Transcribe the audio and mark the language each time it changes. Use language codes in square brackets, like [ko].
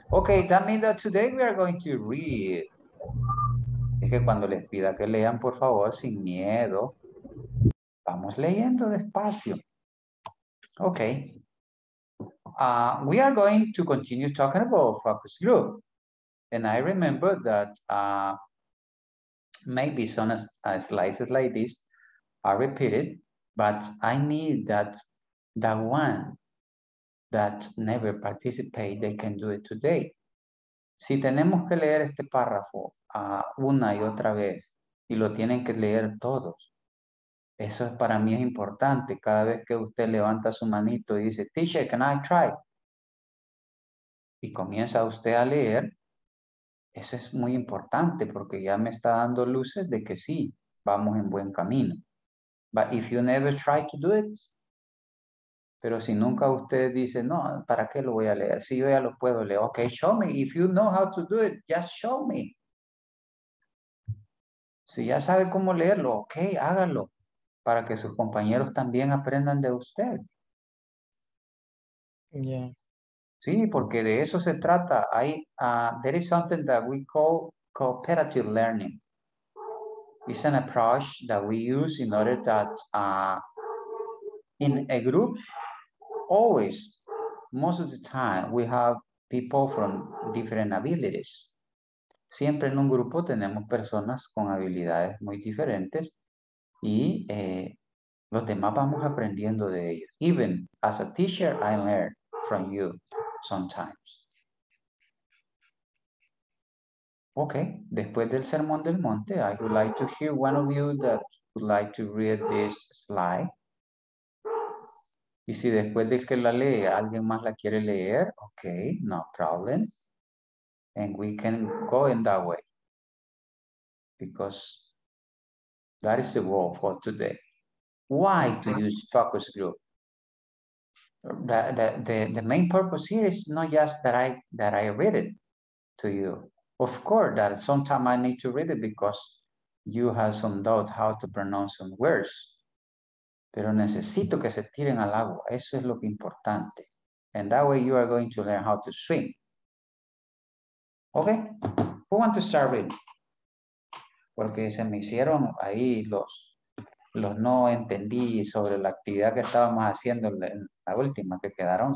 [en] Okay, that means that today we are going to read. [es] Es que cuando les pida que lean, por favor, sin miedo, vamos leyendo despacio. [en] Okay. We are going to continue talking about focus group. And I remember that maybe some slices like this are repeated, but I need that one that never participate, they can do it today. [es] Si tenemos que leer este párrafo una y otra vez y lo tienen que leer todos, eso es para mí es importante. Cada vez que usted levanta su manito y dice, [en] teacher, can I try? [es] Y comienza usted a leer. Eso es muy importante porque ya me está dando luces de que sí, vamos en buen camino. [en] But if you never try to do it, [es] pero si nunca usted dice, no, ¿para qué lo voy a leer? Si yo ya lo puedo leer. [en] Okay, show me. If you know how to do it, just show me. [es] Si ya sabe cómo leerlo, okay, hágalo. Para que sus compañeros también aprendan de usted. [en] Yeah. [es] Sí, porque de eso se trata. [en] There is something that we call cooperative learning. It's an approach that we use in order that in a group, always, most of the time, we have people from different abilities. [es] Siempre en un grupo tenemos personas con habilidades muy diferentes. Y los demás vamos aprendiendo de ellos. [en] Even as a teacher, I learn from you sometimes. Okay, [es] después del Sermón del Monte, [en] I would like to hear one of you that would like to read this slide. [es] Y si después de que la lee, alguien más la quiere leer, [en] okay, no problem. And we can go in that way. Because That is the goal for today. Why to use focus group? The main purpose here is not just that I read it to you. Of course, that sometimes I need to read it because you have some doubt how to pronounce some words. [es] Pero necesito que se tiren al agua. Eso es lo que importante. [en] And that way you are going to learn how to swim. Okay? Who want to start reading? [es] Porque se me hicieron ahí los no entendí sobre la actividad que estábamos haciendo en la última que quedaron.